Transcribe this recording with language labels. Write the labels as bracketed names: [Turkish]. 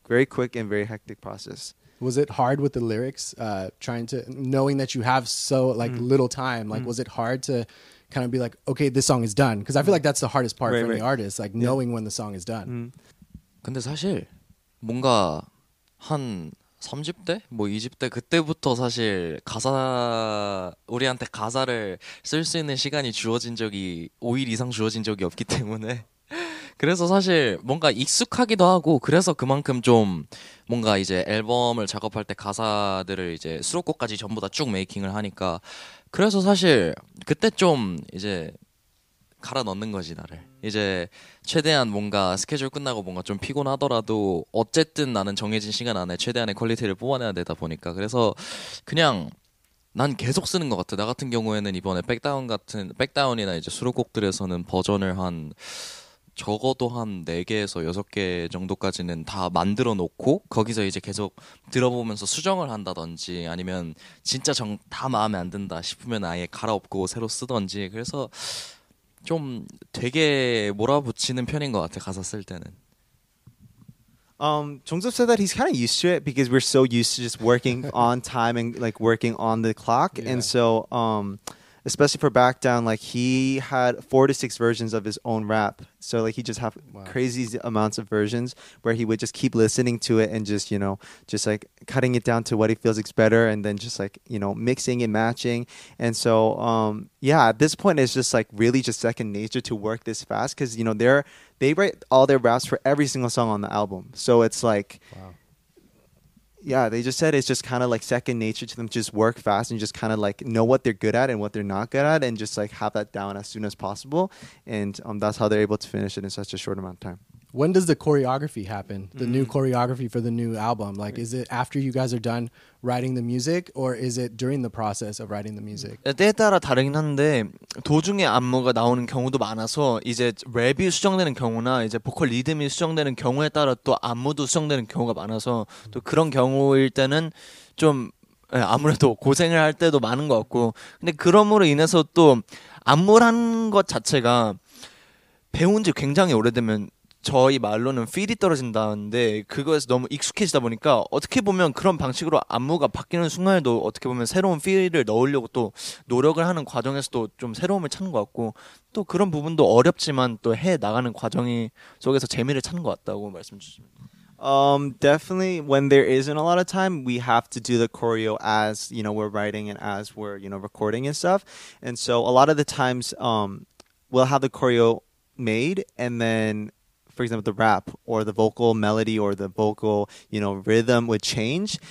[English] Very quick and very hectic process. Was it hard with the lyrics? Trying to, knowing that you have so like little time, like was it hard to kind of be like, okay, this song is done? Because I feel like that's the hardest part for any artist, like knowing when the song is done. [Korean] 근데 사실 뭔가 한 30집 때? 뭐 20집 때 그때부터 사실 가사 우리한테 가사를 쓸 수 있는 시간이 주어진 적이 5일 이상 주어진 적이 없기 때문에 그래서 사실 뭔가 익숙하기도 하고 그래서 그만큼 좀 뭔가 이제 앨범을 작업할 때 가사들을 이제 수록곡까지 전부 다 쭉 메이킹을 하니까 그래서 사실 그때 좀 이제 갈아 넣는 거지 나를 이제 최대한 뭔가 스케줄 끝나고 뭔가 좀 피곤하더라도 어쨌든 나는 정해진 시간 안에 최대한의 퀄리티를 뽑아내야 되다 보니까 그래서 그냥 난 계속 쓰는 것 같아 나 같은 경우에는 이번에 백다운 같은 백다운이나 이제 수록곡들에서는 버전을 한 적어도 한 4개에서 6개 정도까지는 다 만들어 놓고 거기서 이제 계속 들어보면서 수정을 한다든지 아니면 진짜 다 마음에 안 든다 싶으면 아예 갈아엎고 새로 쓰든지 그래서 좀 되게 몰아붙이는 편인 것 같아 가사 쓸 때는 [English] Jongseop said that he's kind of used to it because we're so used to just working on time and like working on the clock yeah. and so especially for Back Down, like he had 4 to 6 versions of his own rap. So like he just have crazy amounts of versions where he would just keep listening to it and just, you know, just like cutting it down to what he feels is better and then just like, you know, mixing and matching. And so, yeah, at this point, it's just like really just second nature to work this fast because, you know, they write all their raps for every single song on the album. So it's like... Wow. Yeah, they just said it's just kind of like second nature to them. Just work fast and just kind of like know what they're good at and what they're not good at and just like have that down as soon as possible. And that's how they're able to finish it in such a short amount of time. When does the choreography happen? The new choreography for the new album? Like, is it after you guys are done writing the music or is it during the process of writing the music? [Korean] 때에 따라 다르긴 한데 도중에 안무가 나오는 경우도 많아서 이제 랩이 수정되는 경우나 이제 보컬 리듬이 수정되는 경우에 따라 또 안무도 수정되는 경우가 많아서 또 그런 경우일 때는 좀 아무래도 고생을 할 때도 많은 것 같고 근데 그럼으로 인해서 또 안무라는 것 자체가 배운 지 굉장히 오래되면 저희 말로는 필이 떨어진다는데 그거에서 너무 익숙해지다 보니까 어떻게 보면 그런 방식으로 안무가 바뀌는 순간에도 어떻게 보면 새로운 필을 넣으려고 또 노력을 하는 과정에서도 좀 새로움을 찾는 것 같고 또 그런 부분도 어렵지만 또 해 나가는 과정이 속에서 재미를 찾는 것 같다고 말씀 주십니다. [English] Definitely when there isn't a lot of time we have to do the choreo as you know we're writing and as we're you know recording and stuff and so a lot of the times we'll have the choreo made and then for example, the rap or the vocal melody or the vocal, you know, rhythm would change.